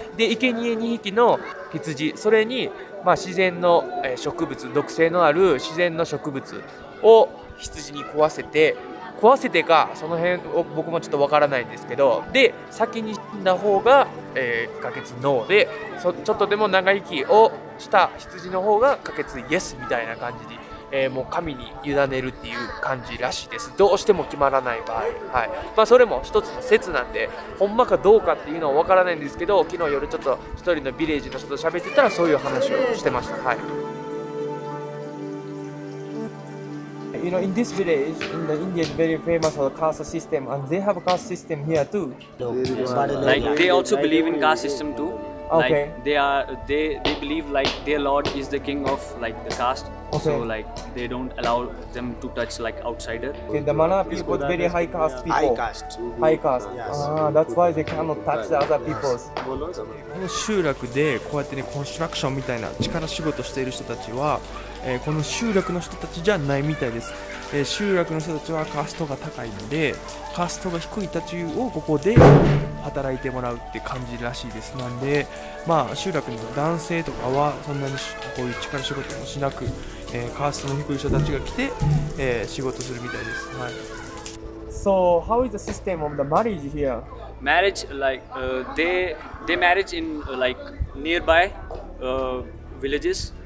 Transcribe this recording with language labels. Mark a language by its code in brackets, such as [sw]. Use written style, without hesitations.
[ja] で、生贄2匹の羊、それに、まあ、自然の植物、毒性のある自然の植物を羊に食わせて、壊せてか、その辺を僕もちょっとわからないんですけど、で、先に死んだ方が、可決ノーで、ちょっとでも長生きをした羊の方が可決イエスみたいな感じに、もう神に委ねるっていう感じらしいです。どうしても決まらない場合。はい。まあそれも一つの説なんで、ほんまかどうかっていうのはわからないんですけど、昨日夜ちょっと一人のビレージの人と喋ってたら、そういう話をしてました。はい。 [en] You know, in this village, in the India, it's very famous for the caste system, and they have a caste system here too. Like, they also believe in caste system too. Okay. Like, they believe like their lord is the king of like the caste. Okay. So like, they don't allow them to touch like outsider. Okay, the Mana people are very high caste people. High caste. High caste. Yes. Ah, that's why they cannot touch the other people. [ja] この集落でこうやってね、コンストラクションみたいな力仕事している人たちは、この集落の人たちじゃないみたいです。集落の人たちはカーストが高いので、カーストが低いたちをここで働いてもらうって感じらしいです。なんで、まあ集落の男性とかはそんなにこういう力仕事もしなく、カーストの低い人たちが来て、仕事するみたいです。はい。 [en] So how is the system of the marriage here? Marriage like they marriage in like nearby villages.